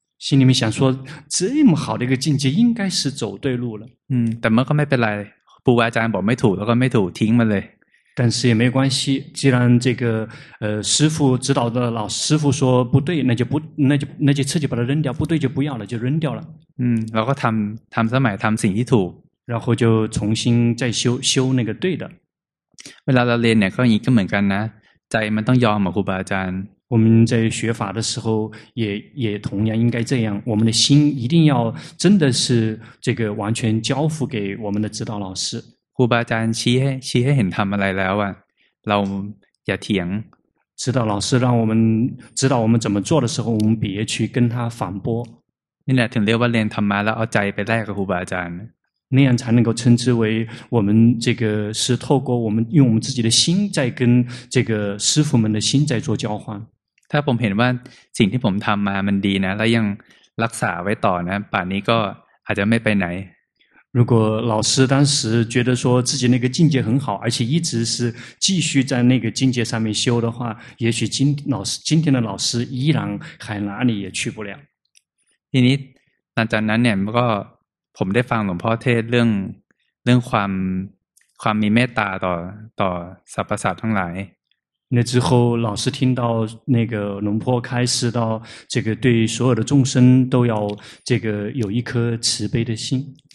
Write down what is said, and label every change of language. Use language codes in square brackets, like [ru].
[zh] 心里面想说这么好的一个境界应该是走对路了 [th] แต่มันก็ไม่เป็นไรครูบาอาจารย์บอกไม่ถูกแล้วก็ไม่ถูกทิ้งมันเลย [zh] 但是也没关系既然这个师父指导的老师父说不对那就彻底把它扔掉不对就不要了就扔掉了 [th] แล้วก็ทำสมัยทำสิ่งที่ถูก [zh] 然后就重新再修那个对的 [th] เวลาเราเรียนเนี่ยก็อย่างนี้ก็เหมือนกันนะใจมันต้องยอมครูบาอาจารย์ [zh] 我们在学法的时候也同样应该这样我们的心一定要真的是这个完全交付给我们的指导老师 [th] ครูบาอาจารย์ชี้ให้เห็นทำอะไรแล้วอ่ะเราอย่าเถียง [zh] 指导老师让我们指导我们怎么做的时候我们别去跟他反驳 [th] นี่แหละถึงเรียกว่าเรียนธรรมะแล้วเอาใจไปแลกกับครูบาอาจารย์ [zh] 那样才能够称之为我们这个是透过我们用我们自己的心在跟这个师父们的心在做交换 [th] ถ้าผมเห็นว่าสิ่งที่ผมทำมามันดีนะแล้วยังรักษาไว้ต่อนะป่านนี้ก็อาจจะไม่ไปไหน [zh] 如果老师当时觉得说自己那个境界很好而且一直是继续在那个境界上面修的话也许今天的老师依然还哪里也去不了 [th] ทีนี้หลังจากนั้นเนี่ยก็ผมได้ฟังหลวงพ่อเทศเรื่องความมีเมตตาต่อสรรพสัตว์ทั้งหลาย [zh] 那之后老师听到那个龙坡开始到这个对所有的众生都要这个有一颗慈悲的心